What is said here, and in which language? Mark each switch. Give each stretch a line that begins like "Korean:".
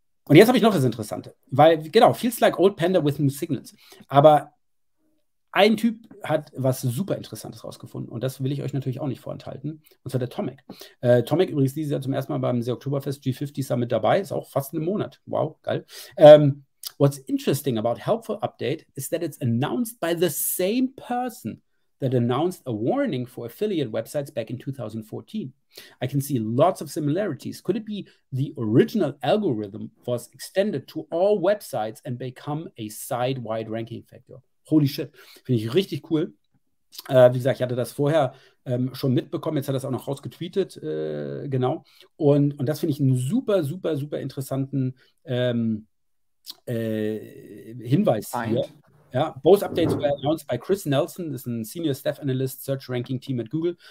German: Und jetzt habe ich noch das Interessante, weil, genau,
English: feels like old Panda with new signals.
German: Aber ein Typ hat was super Interessantes rausgefunden und das will ich euch natürlich auch nicht vorenthalten, und zwar der Tomek. Tomek übrigens dieses Jahr zum ersten Mal beim SEO-Oktoberfest G50 Summit dabei, ist auch fast einen Monat. Wow, geil.
English: What's interesting about helpful update is that it's announced by the same person that announced a warning for affiliate websites back in 2014. I can see lots of similarities. Could it be the original algorithm was extended to all websites and become a site-wide ranking factor? Holy shit.
German: Finde ich richtig cool. Wie gesagt, ich hatte das vorher schon mitbekommen. Jetzt hat er das auch noch rausgetweetet. Genau. Und das finde ich einen super, super, super interessanten Hinweis hier.
English: Find. Ja, both updates were announced by Chris Nelson,
German: ist ein
English: Senior Staff Analyst, Search Ranking Team at Google.